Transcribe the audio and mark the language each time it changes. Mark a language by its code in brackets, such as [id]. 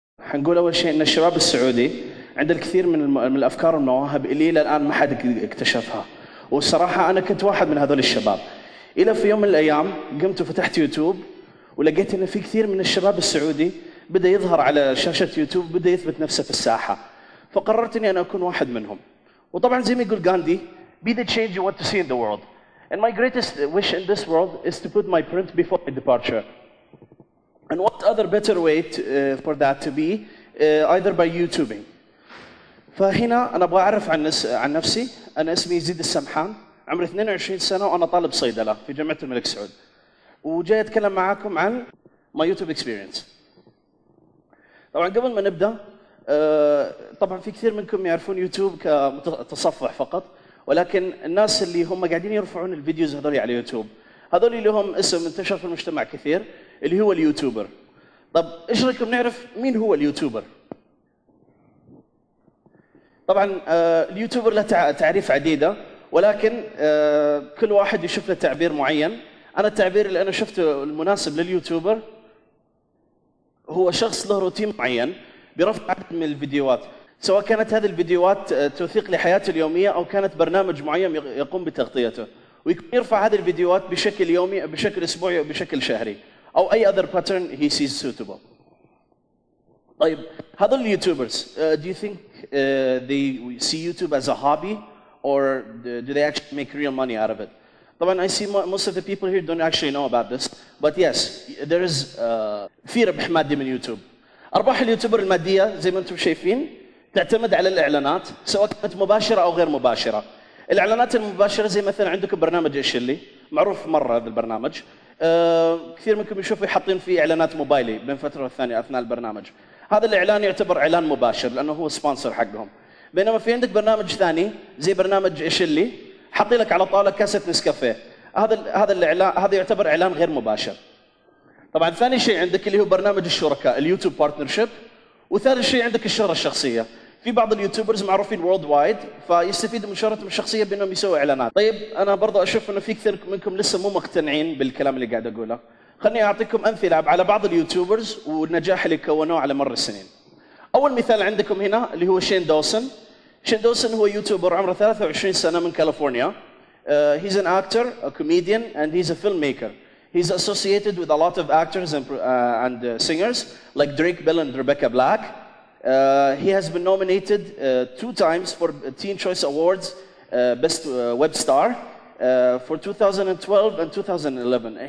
[ar] حنقول أول شيء إن الشباب السعودي عند الكثير من الأفكار والمواهب اللي إلى الآن ما حد اكتشفها. وصراحة أنا كنت واحد من هذول الشباب. إلى في يوم من الأيام قمت وفتحت يوتيوب ولقيت إن في كثير من الشباب السعودي بدأ يظهر على شاشة يوتيوب بدأ يثبت نفسه في الساحة. فقررت إني أنا أكون واحد منهم. وطبعا زي ما يقول غاندي: [en] Be the change you want to see in the world. And my greatest wish in this world is to put my print before my departure. And what other better way for that to be, either by YouTubing. [ar] فهنا أنا أبغى أعرف عن نفسي. أنا اسمي يزيد السمحان، عمري 22 سنة وأنا طالب صيدلة في جامعة الملك سعود. وجاي أتكلم معاكم عن [en] my YouTube experience. [ar] طبعا قبل ما نبدأ، طبعا في كثير منكم يعرفون يوتيوب كتصفح فقط، ولكن الناس اللي هم قاعدين يرفعون الفيديوز هذولي على يوتيوب، هذولي لهم اسم انتشر في المجتمع كثير اللي هو اليوتيوبر. طب ايش رايكم نعرف مين هو اليوتيوبر؟ طبعا اليوتيوبر له تعريف عديده، ولكن كل واحد يشوف له تعبير معين. انا التعبير اللي انا شفته المناسب لليوتيوبر هو شخص له روتين معين برفع عدد من الفيديوهات، سواء كانت هذه الفيديوهات توثيق لحياته اليومية أو كانت برنامج معين يقوم بتغطيته، ويرفع هذه الفيديوهات بشكل يومي أو بشكل أسبوعي أو بشكل شهري أو أي [en] other pattern he sees suitable. [ar] طيب هذول اليوتيوبرز، [en] do you think they see YouTube as a hobby or do they actually make real money out of it? [ar] طبعا [en] I see most of the people here don't actually know about this, but yes, there is [ar] في ربح مادي من يوتيوب. أرباح اليوتيوبر المادية زي ما أنتم شايفين تعتمد على الإعلانات، سواء كانت مباشرة أو غير مباشرة. الإعلانات المباشرة زي مثلا عندكم برنامج إيش اللي معروف مرة هذا البرنامج، كثير منكم يشوفوا حاطين فيه إعلانات موبايلي بين فترة والثانية أثناء البرنامج. هذا الإعلان يعتبر إعلان مباشر لأنه هو سبونسر حقهم. بينما في عندك برنامج ثاني زي برنامج إيش اللي حاطين لك على طاولة كاسة نسكافيه، هذا الإعلان هذا يعتبر إعلان غير مباشر. طبعا ثاني شيء عندك اللي هو برنامج الشركاء اليوتيوب بارتنرشيب، وثالث شيء عندك الشهرة الشخصية. في بعض اليوتيوبرز معروفين [en] worldwide [ar] فيستفيدوا من شهرتهم الشخصية بأنهم يسووا إعلانات. طيب أنا برضو أشوف أنه في كثير منكم لسه مو مقتنعين بالكلام اللي قاعد أقوله. خليني أعطيكم أمثلة على بعض اليوتيوبرز والنجاح اللي كونوه على مر السنين. أول مثال عندكم هنا اللي هو شين دوسن. شين دوسن هو يوتيوبر عمره 23 سنة من كاليفورنيا. [en] He's an actor, a comedian, and he's a filmmaker. He's associated with a lot of actors and singers like Drake Bell and Rebecca Black. He has been nominated two times for Teen Choice Awards Best Web Star for 2012 and 2011.